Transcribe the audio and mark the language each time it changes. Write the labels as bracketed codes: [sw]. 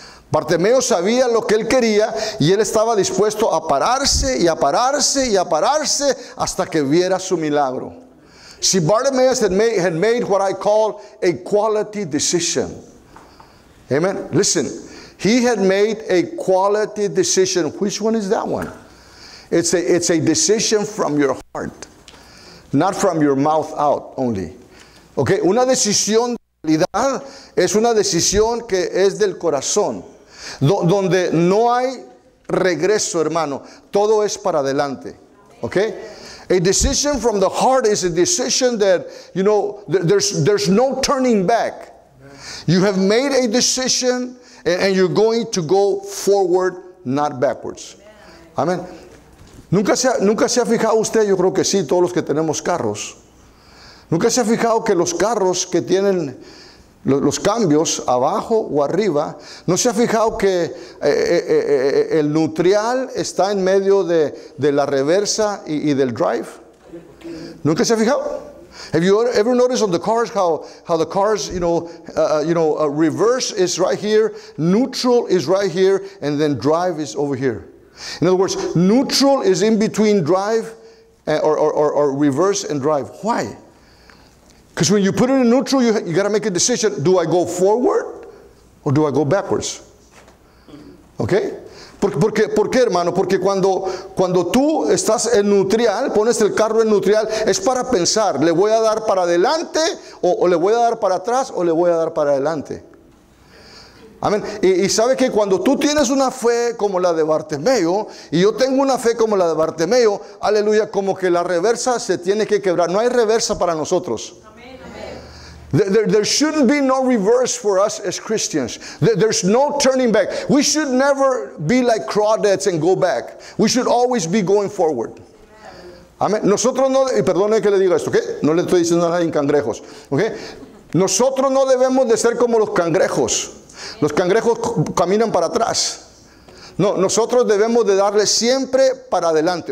[es] Bartimeo sabía lo que él quería y él estaba dispuesto a pararse y a pararse y a pararse hasta que viera su milagro. [en] See, Bartimaeus had made what I call a quality decision. Amen. Listen, he had made a quality decision. Which one is that one? It's a decision from your heart, not from your mouth out only. [es] Okay, una decisión de calidad es una decisión que es del corazón, donde no hay regreso, hermano. Todo es para adelante. Okay. [en] A decision from the heart is a decision that, you know, there's no turning back. You have made a decision and you're going to go forward, not backwards. [es] Amen. ¿Nunca se ha fijado usted? Yo creo que sí, todos los que tenemos carros. ¿Nunca se ha fijado que los carros que tienen los cambios abajo o arriba, no se ha fijado que el neutral está en medio de la reversa y del drive? ¿Nunca se ha fijado? [en] Have you ever noticed on the cars how the cars, you know, reverse is right here, neutral is right here, and then drive is over here? In other words, neutral is in between drive or reverse and drive. Why? Because when you put it in neutral, you got to make a decision. Do I go forward or do I go backwards? Okay? [es] ¿Por qué, hermano? Porque cuando tú estás en neutral, pones el carro en neutral, es para pensar, ¿le voy a dar para adelante o le voy a dar para atrás o le voy a dar para adelante? Amén. Y sabe que cuando tú tienes una fe como la de Bartimeo, y yo tengo una fe como la de Bartimeo, aleluya, como que la reversa se tiene que quebrar. No hay reversa para nosotros. [en] There shouldn't be no reverse for us as Christians. There's no turning back. We should never be like crawdads and go back. We should always be going forward. Amen. [es] Nosotros no, y perdone que le diga esto, ¿okay? No le estoy diciendo nada en cangrejos, ¿okay? Nosotros no debemos de ser como los cangrejos. Los cangrejos caminan para atrás. No, nosotros debemos de darle siempre para adelante.